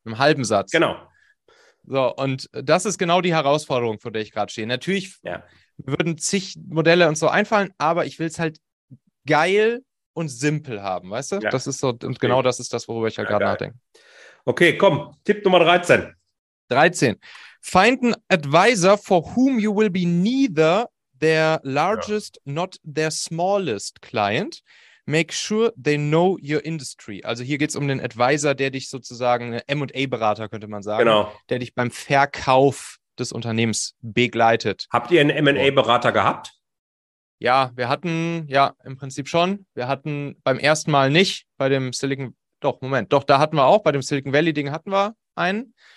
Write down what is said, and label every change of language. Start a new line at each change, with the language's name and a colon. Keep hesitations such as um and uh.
German: Im halben Satz. genau. So, und das ist genau die Herausforderung, vor der ich gerade stehe. Natürlich Ja. würden zig Modelle und so einfallen, aber ich will es halt geil und simpel haben, weißt du? Ja. Das ist so, und genau das ist das, worüber ich halt Ja, gerade geil. nachdenke. Okay, komm, Tipp Nummer 13. 13.
English: Find an advisor for whom you will be neither their largest, not their smallest client. Make sure they know your industry.
German: Also hier geht es um den Advisor, der dich sozusagen, MA-Berater könnte man sagen, Genau. der dich beim Verkauf des Unternehmens begleitet. Habt ihr einen MA-Berater gehabt? Ja, wir hatten, ja, im Prinzip schon. Wir hatten beim ersten Mal nicht, bei dem Silicon, doch, Moment, doch, da hatten wir auch, bei dem Silicon Valley-Ding hatten wir einen.